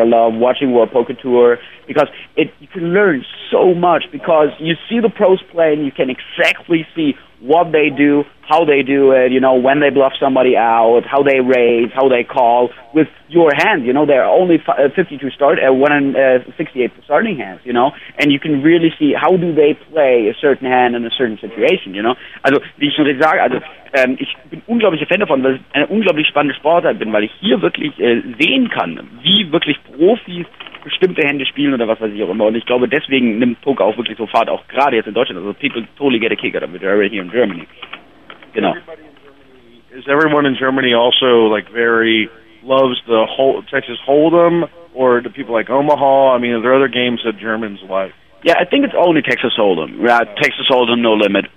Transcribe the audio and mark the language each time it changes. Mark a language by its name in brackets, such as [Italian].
[English] I love watching World Poker Tour because you can learn so much because you see the pros play and you can exactly see what they do, how they do it, you know, when they bluff somebody out, how they raise, how they call with your hand. You know, there are only 52 start, 168 starting hands, you know, and you can really see how do they play a certain hand in a certain situation, you know. [German] Also, wie ich schon richtig sage, also, ich bin unglaublicher Fan davon, weil ich eine unglaublich spannende Sportart bin, weil ich hier wirklich sehen kann, wie wirklich Profis bestimmte Hände spielen oder was weiß ich auch immer. Und ich glaube, deswegen nimmt Poker auch wirklich so Fahrt, auch gerade jetzt in Deutschland. [English] Also, people totally get a kick out of it, right here in Germany. [German] Genau. [English] Is everyone in Germany also like very loves the whole Texas Hold'em or the people like Omaha? I mean, are there other games that Germans like? Yeah, I think it's only Texas Hold'em. Right? Texas Hold'em, No Limit.